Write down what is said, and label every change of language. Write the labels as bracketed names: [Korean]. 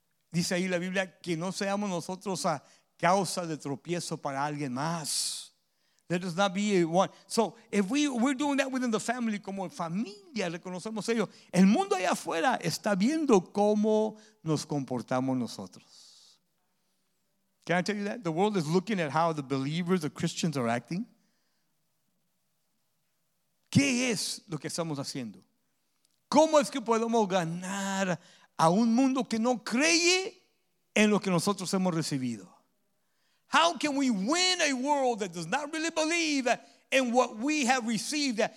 [Spanish] Dice ahí la Biblia que no seamos nosotros a causa de tropiezo para alguien más. [English] Let us not be one. So if we're doing that within the family, [Spanish] como familia, reconocemos ello. El mundo allá afuera está viendo cómo nos comportamos nosotros. [English] Can I tell you that? The world is looking at how the believers, the Christians are acting. [Spanish] ¿Qué es lo que estamos haciendo? ¿Cómo es que podemos ganar a un mundo que no cree en lo que nosotros hemos recibido? [English] How can we win a world that does not really believe in what we have received?